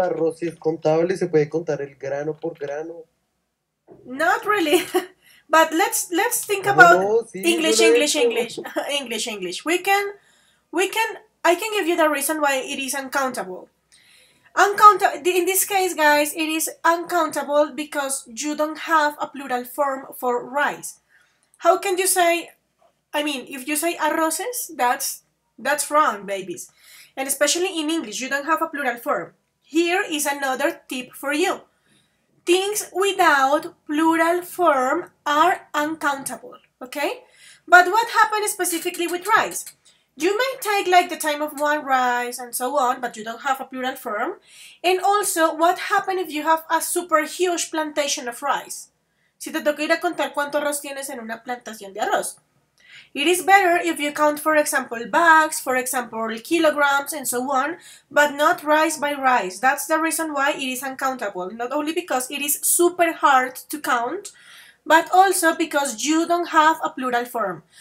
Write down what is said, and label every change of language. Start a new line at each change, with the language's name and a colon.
Spanish: El arroz es contable, se puede contar el grano por grano.
English: Not really. But let's think about English. I can give you the reason why it is uncountable. In this case, guys, it is uncountable because you don't have a plural form for rice. How can you say, I mean, if you say arroces, that's wrong, babies. And especially in English, you don't have a plural form. Here is another tip for you. Things without plural form are uncountable, okay? But what happened specifically with rice? You may take like the time of one rice and so on, but you don't have a plural form. And also, what happens if you have a super huge plantation of rice?
Spanish: Si te toca ir a contar cuánto arroz tienes en una plantación de arroz.
English: It is better if you count, for example, bags, for example, kilograms and so on, but not rice by rice. That's the reason why it is uncountable. Not only because it is super hard to count, but also because you don't have a plural form.